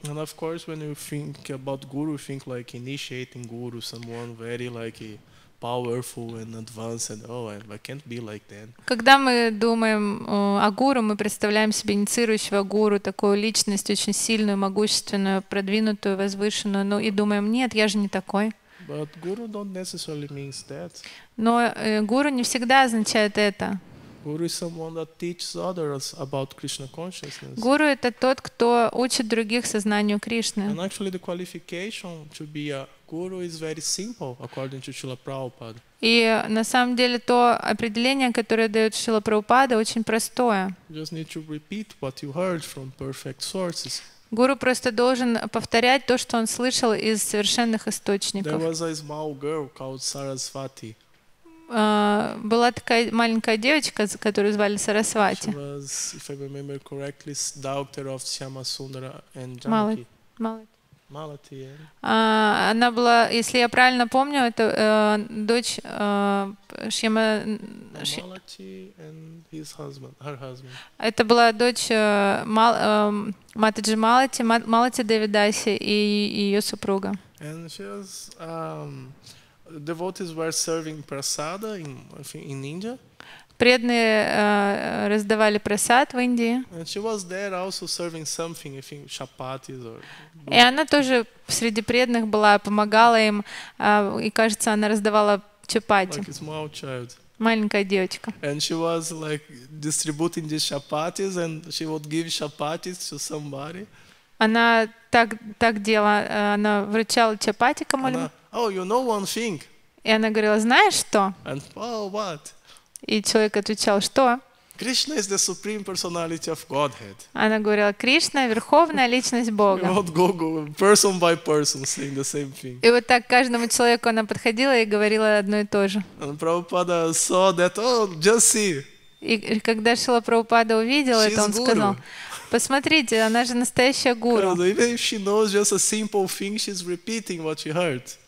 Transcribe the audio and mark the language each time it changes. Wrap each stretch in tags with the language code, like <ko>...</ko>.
<en>And of course, when you think about guru, think like initiating guru, someone very like powerful and advanced, and oh, I can't be like them.</en> <ru>Когда мы думаем о гуру, мы представляем себе инициирующего гуру, такую личность очень сильную, могущественную, продвинутую, возвышенную, ну и думаем, нет, я же не такой.</ru> <en>But guru don't necessarily means that.</en> <ru>Но гуру не всегда означает это.</ru> <en>Guru is someone that teaches others about Krishna consciousness.</en> <ru>Гуру это тот, кто учит других сознанию Кришны.</ru> <en>And actually the qualification to be a guru is very simple according to Srila Prabhupada.</en> <ru>И на самом деле то определение, которое дает Шрила Прабхупада, очень простое.</ru> <en>You just need to repeat what you heard from perfect sources.</en> <ru>Гуру просто должен повторять то, что он слышал из совершенных источников.</ru> <en>There was a small girl called Sarasvati.</en> <ru>Была такая маленькая девочка, которую звали Сарасвати.</ru> <en>She was, if I remember correctly, daughter of Shyama Sundara and Janaki. Malati. Yeah.</en> <ru>Она была, если я правильно помню, это дочь Шьяма.</ru> <en>Malati and his husband, her husband.</en> <ru>Это была дочь Матаджи Малати, Малати Девидаси и ее супруга.</ru> <en>And she was, devotees were serving prasada in India.</en> <ru>Преданные раздавали прасад в Индии.</ru> <en>And she was there also serving something, I think, chapatis or.</en> <ru>И она тоже среди преданных была, помогала им, и кажется, она раздавала чапати.</ru> <en>Like a small child.</en> <ru>Маленькая девочка.</ru> <en>And she was like distributing these chapatis, and she would give chapatis to somebody.</en> <ru>Она так делала, она вручала чапати кому-либо.</ru> <en>Oh, you know one thing.</en> <ru>И она говорила, знаешь что?</ru> <en>And oh, what?</en> <ru>И человек отвечал, что?</ru> <en>Krishna is the supreme personality of Godhead.</en> <ru>Она говорила, Кришна верховная личность Бога. Вот</ru> <en>Google, person by person, saying the same thing.</en> <ru>И вот так каждому человеку она подходила и говорила одно и то же.</ru> <en>And Prabhupada saw that. Oh, just see.</en> <ru>И когда Шрила Прабхупада увидел это, он сказал. Посмотрите, она же настоящая гуру.</ru> <en>Even if she knows just a simple thing, she's repeating what she heard.</en>